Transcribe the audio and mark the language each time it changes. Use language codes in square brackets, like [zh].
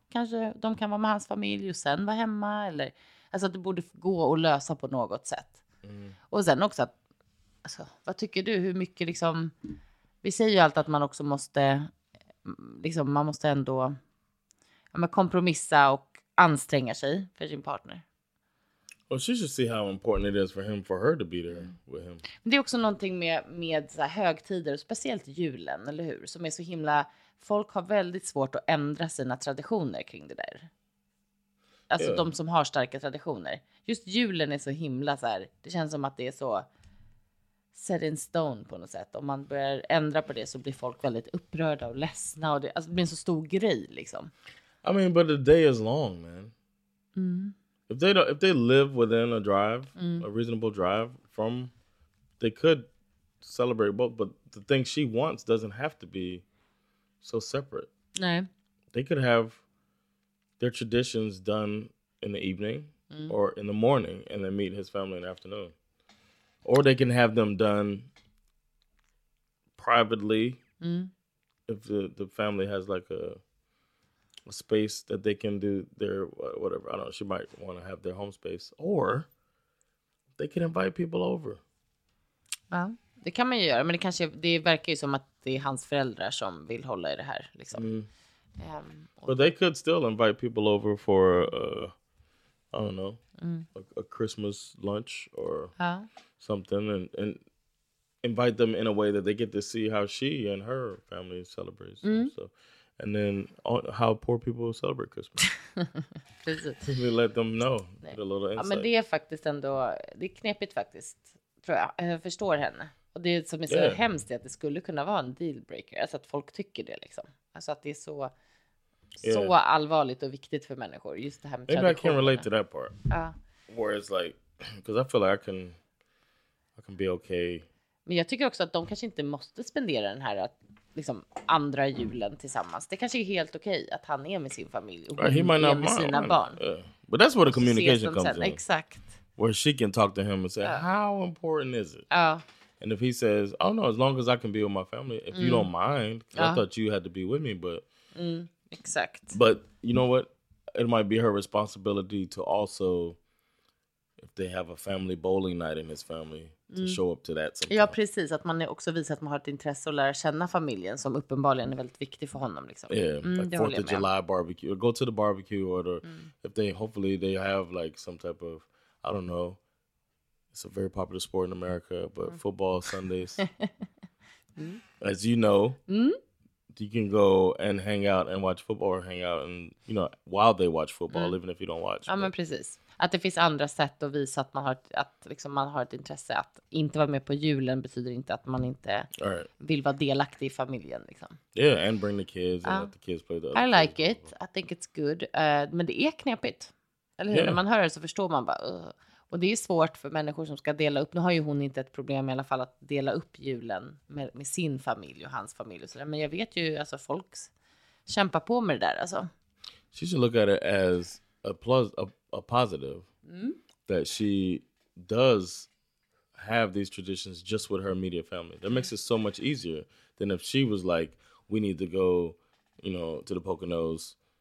[sv] Kanske de kan vara med hans familj och sen vara hemma. Eller, alltså att det borde gå och lösa på något sätt. Mm. Och sen också, att, alltså, vad tycker du? Hur mycket liksom... Vi säger ju alltid att man också måste... Liksom, man måste ändå... Men kompromissa och anstränga sig för sin partner. [en] Well, she should see how important it is for him, for her to be there with him. [sv] Men det är också någonting med så här högtider, speciellt julen, eller hur? Som är så himla... Folk har väldigt svårt att ändra sina traditioner kring det där. Alltså yeah. De som har starka traditioner. Just julen är så himla så här... Det känns som att det är så [en] set in stone [sv] på något sätt. Om man börjar ändra på det så blir folk väldigt upprörda och ledsna. Och det, alltså, det blir en så stor grej liksom. [en] I mean, but the day is long, man. Mm. If they live within a drive, mm. a reasonable drive from, they could celebrate both. But the thing she wants doesn't have to be so separate. [sv] Nej. [en] They could have their traditions done in the evening or in the morning, and then meet his family in the afternoon. Or they can have them done privately if the family has like a space that they can do their whatever. I don't know, she might want to have their home space, or they can invite people over. [sv] Ja, det kan man ju göra, men det kanske, det verkar ju som att det är hans föräldrar som vill hålla i det här liksom. [en] But they could still invite people over for I don't know, a Christmas lunch or something, and invite them in a way that they get to see how she and her family celebrates so. And then how poor people celebrate Christmas. [sv] Precis. [en] We let them know. Get a little insight. [sv] Ja, men det är faktiskt ändå, det är knepigt faktiskt, tror jag. Jag förstår henne. Och det som är så hemskt är att det skulle kunna vara en dealbreaker. Alltså att folk tycker det liksom. Alltså att det är så allvarligt och viktigt för människor. Just det här med traditionen. [en] Maybe I can relate to that part. Where it's like, because I feel like I can be okay. [sv] Men jag tycker också att de kanske inte måste spendera den här att liksom andra julen tillsammans. Det kanske är helt okej att han är med sin familj och hon är med sina barn. [en] But that's where the communication comes in. [sv] Exakt. [en] Where she can talk to him and say, how important is it? [sv] Ja. [en] And if he says, oh no, as long as I can be with my family, if you don't mind, I thought you had to be with me, but... [sv] Exakt. [en] But you know what? It might be her responsibility to also, if they have a family bowling night in his family, to show up to that sometime. [sv] Ja, precis. Att man också visar att man har ett intresse att lära känna familjen som uppenbarligen är väldigt viktig för honom. Liksom. [en] Yeah, like 4th of July barbecue. Go to the barbecue order. If they, hopefully they have like some type of, I don't know, it's a very popular sport in America, but football Sundays, as you know, you can go and hang out and watch football or hang out and, you know, while they watch football, even if you don't watch. [sv] Ja, men precis. Att det finns andra sätt att visa att man har att liksom man har ett intresse. Att inte vara med på julen betyder inte att man inte vill vara delaktig i familjen. Liksom. [en] Yeah, and bring the kids and let the kids play the other I like it. I think it's good. [sv] Men det är knepigt. Eller hur? Yeah. När man hör det så förstår man bara... Och det är svårt för människor som ska dela upp. Nu har ju hon inte ett problem i alla fall att dela upp julen med sin familj och hans familj. Och så där. Men jag vet ju, alltså folk kämpar på med det där. Alltså. [en] She should look at it as a positive. That she does have these traditions just with her immediate family. That makes it so much easier than if she was like, we need to go, you know, to the Poconos.